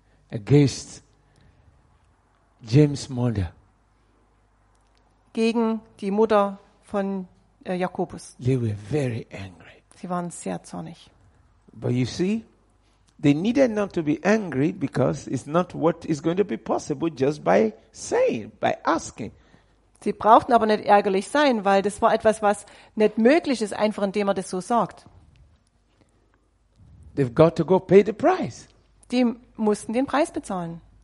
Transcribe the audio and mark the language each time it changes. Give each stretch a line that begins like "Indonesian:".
English: Against James' mother.
German: Gegen die Mutter von Jakobus.
English: They were very angry.
German: Sie waren sehr zornig.
English: But you see, they needed not to be angry because it's not what is going to be possible just by saying, by asking.
German: Sie brauchten aber nicht ärgerlich sein, weil das war etwas, was nicht möglich ist, einfach indem er das so sagt.
English: They've got to go pay the price.
German: Die mussten den Preis bezahlen.